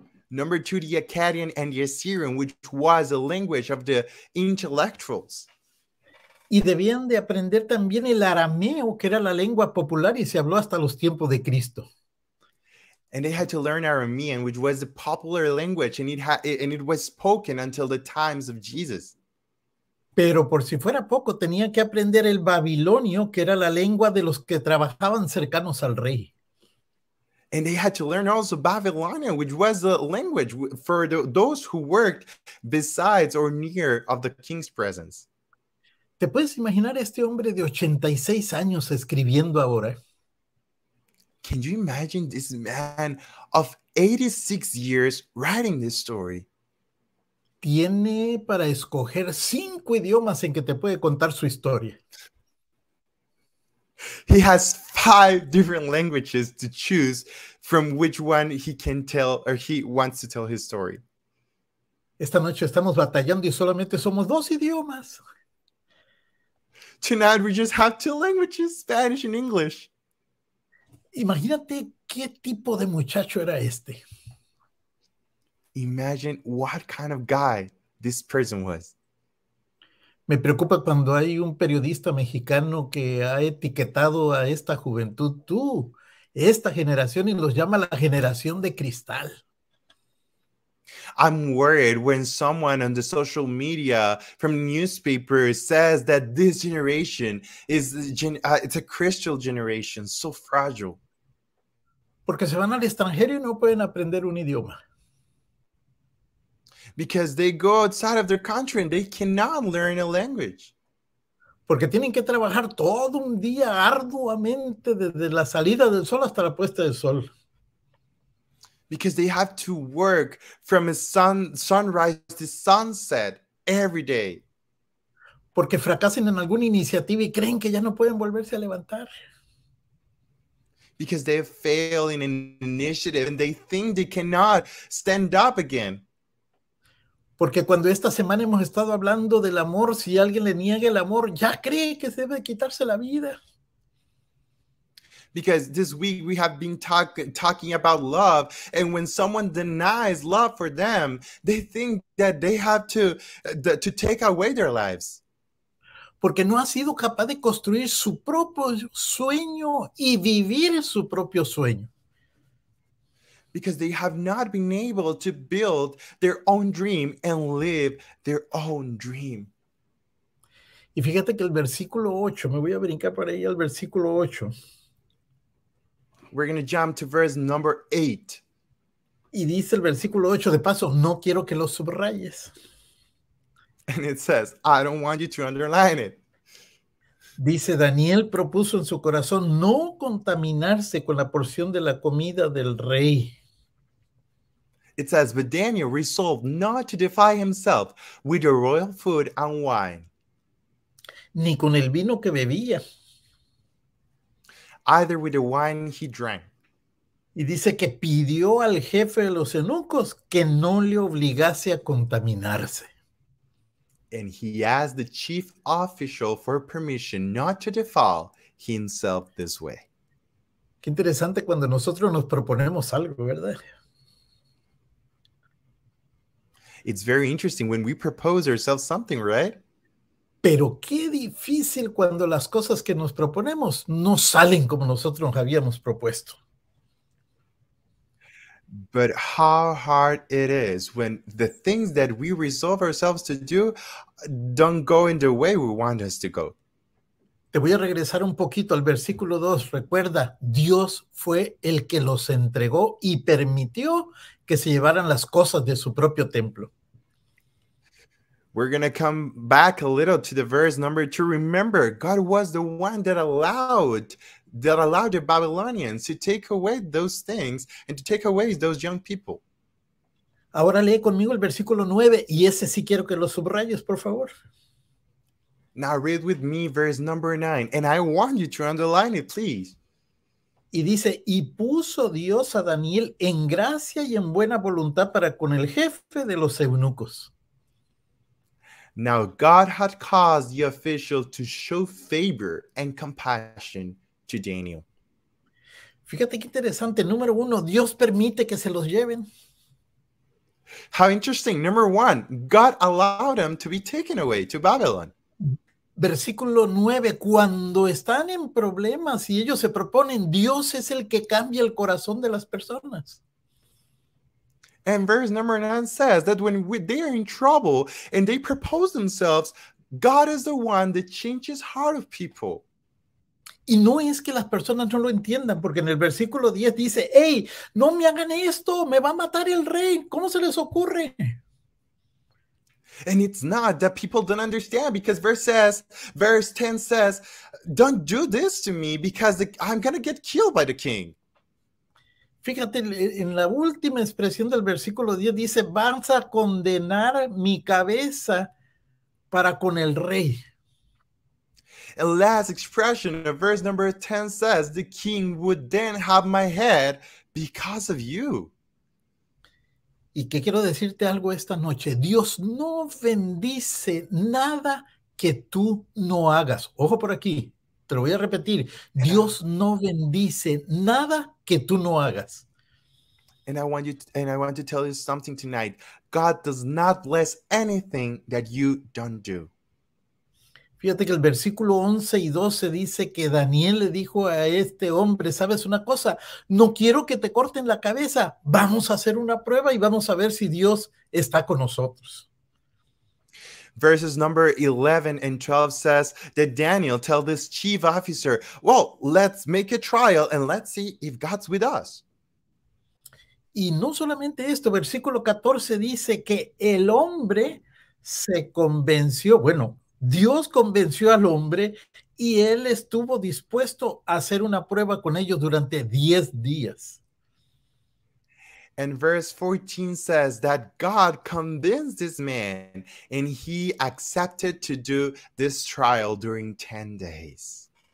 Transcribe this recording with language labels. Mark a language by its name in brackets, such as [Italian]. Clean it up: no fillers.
[English] Number 2, the Akkadian and the Assyrian, which was the language of the intellectuals. [Spanish] Y debían de aprender también el arameo, que era la lengua popular y se habló hasta los tiempos de Cristo. [English] And they had to learn Aramean, which was a popular language, and it was spoken until the times of Jesus. [Spanish] Pero por si fuera poco, tenían que aprender el babilonio, que era la lengua de los que trabajaban cercanos al rey. [English] And they had to learn also Babylonian, which was the language for those who worked besides or near of the king's presence. [Spanish] ¿Te puedes imaginar este hombre de 86 años escribiendo ahora? [English] Can you imagine this man of 86 years writing this story? [Spanish] Tiene para escoger 5 idiomas en que te puede contar su historia. [English] He has 5 different languages to choose from which one he can tell or he wants to tell his story. [Spanish] Esta noche estamos batallando y solamente somos 2 idiomas. [English] Tonight we just have 2 languages, Spanish and English. [Spanish] Imagínate qué tipo de muchacho era este. [English] Imagine what kind of guy this person was. [Spanish] Me preocupa cuando hay un periodista mexicano que ha etiquetado a esta juventud, tú, esta generación, y los llama la generación de cristal. [English] I'm worried when someone on the social media from the newspaper says that this generation is it's a crystal generation, so fragile. [Spanish] Porque se van al extranjero y no pueden aprender un idioma. [English] Because they go outside of their country and they cannot learn a language. [Spanish] Porque tienen que trabajar todo un día arduamente desde la salida del sol hasta la puesta del sol. [English] Because they have to work from a sunrise to sunset every day. [Spanish] Porque fracasan en alguna iniciativa y creen que ya no pueden volverse a levantar. [English] Because they fail in an initiative and they think they cannot stand up again. [Spanish] Porque cuando esta semana hemos estado hablando del amor, si alguien le niega el amor, ya cree que se debe quitarse la vida. [English] Because this week we have been talking about love, and when someone denies love for them, they think that they have to take away their lives. [Spanish] Porque no ha sido capaz de construir su propio sueño y vivir su propio sueño. [English] Because they have not been able to build their own dream and live their own dream. [Spanish] Y fíjate que el versículo 8, me voy a brincar por ahí al versículo 8. [English] We're going to jump to verse number 8. [Spanish] Y dice el versículo 8, de paso, no quiero que lo subrayes. [English] And it says, I don't want you to underline it. [Spanish] Dice, Daniel propuso en su corazón no contaminarse con la porción de la comida del rey. [English] It says, but Daniel resolved not to defy himself with the royal food and wine. [Spanish] Ni con el vino que bebía. [English] Either with the wine he drank. [Spanish] Y dice que pidió al jefe de los eunucos que no le obligase a contaminarse. [English] And he asked the chief official for permission not to defile himself this way. [Spanish] Qué interesante cuando nosotros nos proponemos algo, ¿verdad? [English] It's very interesting when we propose ourselves something, right? [Spanish] Pero qué difícil cuando las cosas que nos proponemos no salen como nosotros nos habíamos propuesto. [English] But how hard it is when the things that we resolve ourselves to do don't go in the way we want us to go. [Spanish] Te voy a regresar un poquito al versículo 2. Recuerda, Dios fue el que los entregó y permitió que se llevaran las cosas de su propio templo. [English] We're going to come back a little to the verse number 2. Remember, God was the one that allowed the Babylonians to take away those things and to take away those young people. [Spanish] Ahora lee conmigo el versículo 9 y ese sí quiero que lo subrayes, por favor. [English] Now read with me verse number 9, and I want you to underline it, please. [Spanish] Y dice, y puso Dios a Daniel en gracia y en buena voluntad para con el jefe de los eunucos. [English] Now God had caused the official to show favor and compassion to Daniel. [Spanish] Fíjate qué interesante. Número uno, Dios permite que se los lleven. [English] How interesting. Number one, God allowed them to be taken away to Babylon. [Spanish] Versículo 9, cuando están en problemas y ellos se proponen, Dios es el que cambia el corazón de las personas. [English] And verse number 9 says that when they are in trouble and they propose themselves, God is the one that changes heart of people. [Spanish] Y no es que las personas no lo entiendan, porque en el versículo 10 dice, hey, no me hagan esto, me va a matar el rey, ¿cómo se les ocurre? [English] And it's not that people don't understand, because verse 10 says, don't do this to me because I'm going to get killed by the king. [Spanish] Fíjate, en la última expresión del versículo 10 dice, vas a condenar mi cabeza para con el rey. [English] The last expression of verse number 10 says, the king would then have my head because of you. [Spanish] Y que quiero decirte algo esta noche. Dios no bendice nada que tú no hagas. Ojo por aquí, te lo voy a repetir. Dios no bendice nada que tú no hagas. [English] And I want to tell you something tonight. God does not bless anything that you don't do. [Spanish] Fíjate que el versículo 11 y 12 dice que Daniel le dijo a este hombre, ¿sabes una cosa? No quiero que te corten la cabeza. Vamos a hacer una prueba y vamos a ver si Dios está con nosotros. [English] Verses number 11 and 12 says that Daniel tell this chief officer, well, let's make a trial and let's see if God's with us. [Spanish] Y no solamente esto, versículo 14 dice que el hombre se convenció, bueno, Dios convenció al hombre y él estuvo dispuesto a hacer una prueba con ellos durante 10 días. [English] And verse 14 says that God convinced this man and he accepted to do this trial during 10 days.